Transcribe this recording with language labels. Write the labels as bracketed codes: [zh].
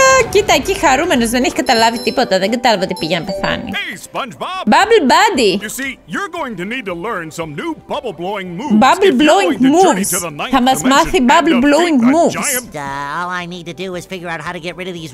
[el] Κοίτα, εκεί χαρούμενος, δεν έχει καταλάβει τίποτα, δεν κατάλαβα ότι πήγε να πεθάνει. [en] Hey, SpongeBob. Bubble Buddy. You see, you're going to need to learn some new bubble blowing moves. Bubble blowing moves. [el] Θα μας μάθει [en] bubble blowing moves. All I need to do is figure out how to get rid of these.